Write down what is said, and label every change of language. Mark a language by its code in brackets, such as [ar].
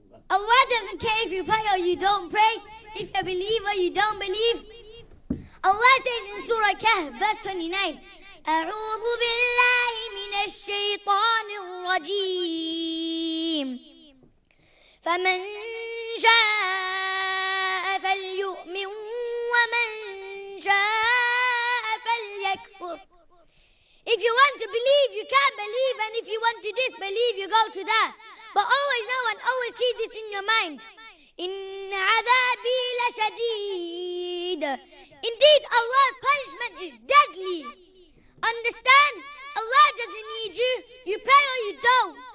[en] Allah doesn't care if you pray or you don't pray, if you believe or you don't believe. Allah says in Surah Kahf, verse 29, [ar] أعوذ بالله من الشيطان الرجيم فمن شاء فليؤمن ومن شاء فليكفر. [en] If you want to believe, you can believe, and if you want to disbelieve, you go to that. But always know and always keep this in your mind. [ar] إِنَّ عَذَابِي لَشَدِيدٌ. [en] Indeed, Allah's punishment is deadly. Understand? Allah doesn't need you. You pray or you don't.